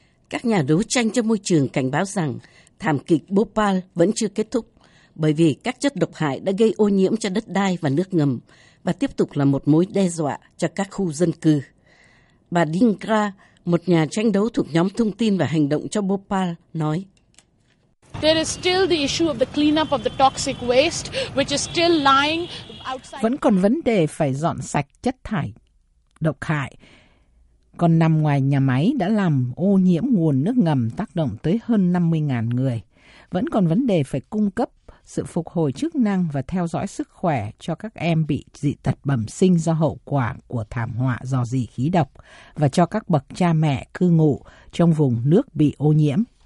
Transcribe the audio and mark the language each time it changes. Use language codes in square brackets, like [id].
[vi] Các nhà đấu tranh cho môi trường cảnh báo rằng thảm kịch Bhopal vẫn chưa kết thúc bởi vì các chất độc hại đã gây ô nhiễm cho đất đai và nước ngầm và tiếp tục là một mối đe dọa cho các khu dân cư. Bà Dinkra, một nhà tranh đấu thuộc nhóm thông tin và hành động cho Bhopal, nói. [en] There is still the issue of the cleanup of the toxic waste, which is still lying outside. [vi] Vẫn còn vấn đề phải dọn sạch chất thải độc hại còn nằm ngoài nhà máy đã làm ô nhiễm nguồn nước ngầm tác động tới hơn 50.000 người. Vẫn còn vấn đề phải cung cấp sự phục hồi chức năng và theo dõi sức khỏe cho các em bị dị tật bẩm sinh do hậu quả của thảm họa rò rỉ khí độc và cho các bậc cha mẹ cư ngụ trong vùng nước bị ô nhiễm.